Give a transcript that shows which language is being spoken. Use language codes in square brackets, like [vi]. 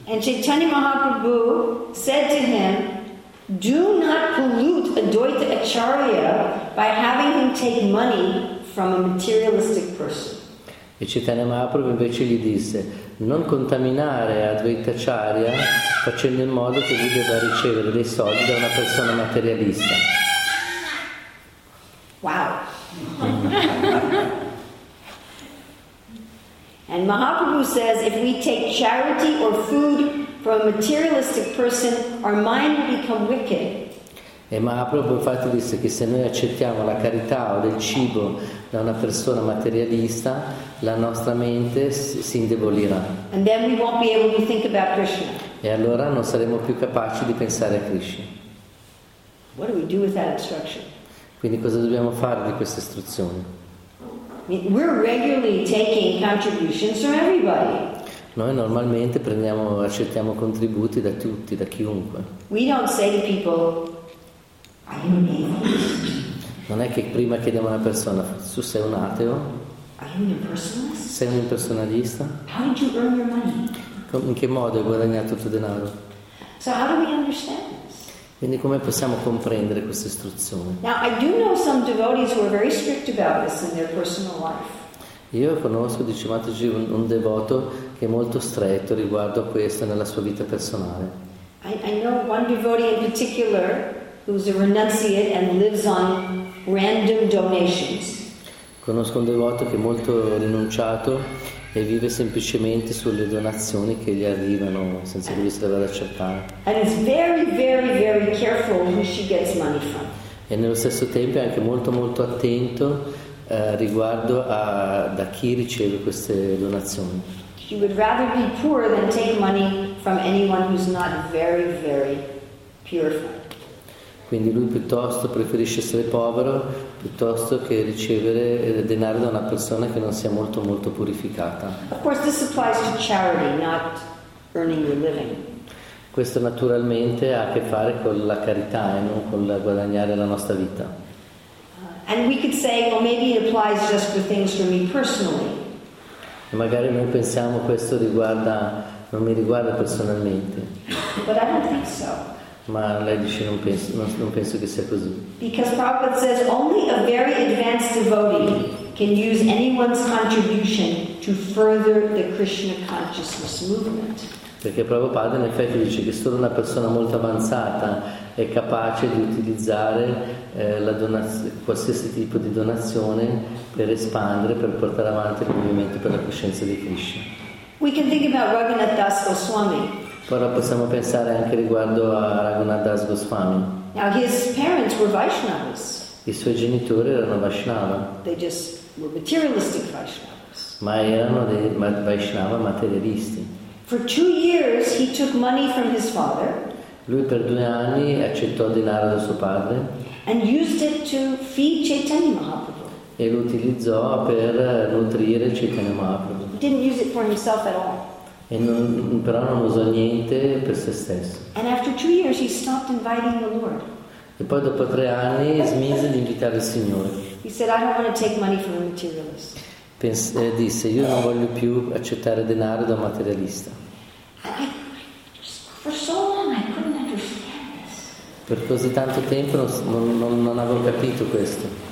[en] And Chaitanya Mahaprabhu said to him, do not pollute Advaita Acharya by having him take money from a materialistic person. [it] E Chaitanya Mahaprabhu invece gli disse, non contaminare Advaita Acharya facendo in modo che lui debba ricevere dei soldi da una persona materialista. [en] Wow. And Mahaprabhu says, if we take charity or food from a materialistic person, our mind will become wicked. [it] E Mahaprabhu infatti disse che se noi accettiamo la carità o del cibo da una persona materialista, la nostra mente si indebolirà. [en] And then we won't be able to think about Krishna. [it] E allora non saremo più capaci di pensare a Krishna. [en] What do we do with that instruction? [it] Quindi cosa dobbiamo fare di questa istruzione? [en] We're regularly taking contributions from everybody. [it] Noi normalmente accettiamo contributi da tutti, da chiunque. [en] We don't say to people, are you an atheist? [it] Non è che prima chiediamo a una persona, tu sei un ateo? [en] Are [it] Sei un impersonalista? [en] How did you earn your money? [it] In che modo hai guadagnato il tuo denaro? [en] So how do we understand this? [it] Quindi come possiamo comprendere questa istruzione? [en] Now I do know some devotees who are very strict about this in their personal life. [it] Io conosco, dice Mataji, un devoto che è molto stretto riguardo a questo nella sua vita personale. [en] I know one devotee in particular who's a renunciate and lives on random donations. [it] Conosco un devoto che è molto rinunciato e vive semplicemente sulle donazioni che gli arrivano senza che lui si debba accertare. [en] And is very, very, very careful who she gets money from. [it] E nello stesso tempo è anche molto, molto attento riguardo a da chi riceve queste donazioni. [en] She would rather be poor than take money from anyone who's not very, very purified. [it] Quindi lui piuttosto preferisce essere povero piuttosto che ricevere denaro da una persona che non sia molto molto purificata. [en] Of course this applies to charity, not earning your living. [it] Questo naturalmente ha a che fare con la carità e non con la guadagnare la nostra vita. [en] And we could say, well, maybe it applies just for things for me personally. [it] E magari noi pensiamo questo riguarda, non mi riguarda personalmente. [en] But I don't think so. [it] Ma lei dice non penso che sia così. [en] Because Prabhupada says only a very advanced devotee can use anyone's contribution to further the Krishna consciousness movement. [it] Perché Prabhupada in effetti dice che solo una persona molto avanzata è capace di utilizzare qualsiasi tipo di donazione per espandere, per portare avanti il movimento per la coscienza di Krishna. [en] We can think about Raghunath Das Goswami. [it] Ora possiamo pensare anche riguardo a Raghunath Das Goswami. [en] Now his parents were Vaishnavas. [it] I suoi genitori erano Vaishnava. [en] They just were materialistic Vaishnavas. [it] Ma erano dei Vaishnava materialisti. [en] For 2 years he took money from his father. [it] Lui per 2 anni accettò denaro da suo padre. [en] And used it to feed Chaitanya Mahaprabhu. [it] E lo utilizzò per nutrire Chaitanya Mahaprabhu. [en] He didn't use it for himself at all. [it] E non, però non usò niente per se stesso. [en] And after 2 years he stopped inviting the Lord. [it] E poi dopo 3 anni smise di invitare il Signore. [en] He said, I don't want to take money from a materialist. [it] Disse, io non voglio più accettare denaro da un materialista. [en] For so long I couldn't understand this. [it] Per così tanto tempo non avevo capito questo.